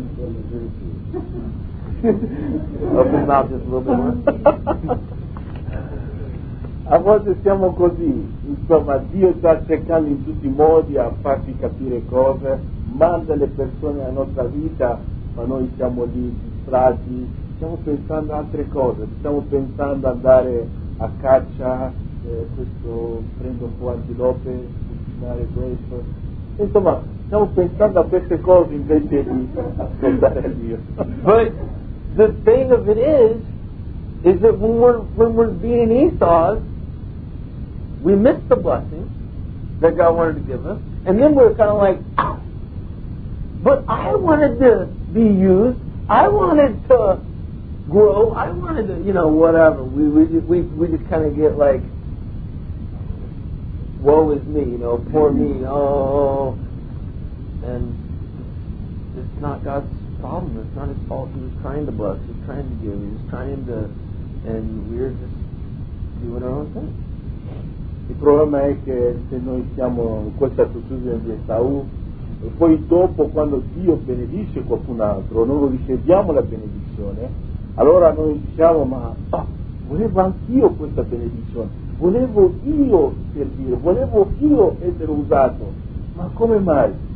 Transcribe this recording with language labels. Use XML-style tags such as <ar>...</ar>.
<en>Open your mouth just a little bit more.</en> <it>A volte siamo così, insomma, Dio sta cercando in tutti i modi a farci capire cose, manda le persone alla nostra vita, ma noi siamo lì distratti, stiamo pensando altre cose, stiamo pensando andare a caccia, questo prendo un po' antilope, cucinare questo, insomma, stiamo pensando a queste cose invece di ascoltare Dio.</it> <en>But the thing of it is that when we're being Esau's, we miss the blessing that God wanted to give us, and then we're kind of like, but I wanted to be used, I wanted to grow, I wanted to, you know, whatever. We just kind of get like, woe is me, you know, poor me, oh, and it's not God's problem, it's not his fault, he was trying to bless, he was trying to give, he was trying to, and we're just doing our own thing.</en> <it>Il problema è che se noi siamo in questa attitudine di Esau, e poi dopo quando Dio benedice qualcun altro, noi riceviamo la benedizione, allora noi diciamo, ma volevo anch'io questa benedizione, volevo io servire, volevo io essere usato, ma come mai?</it>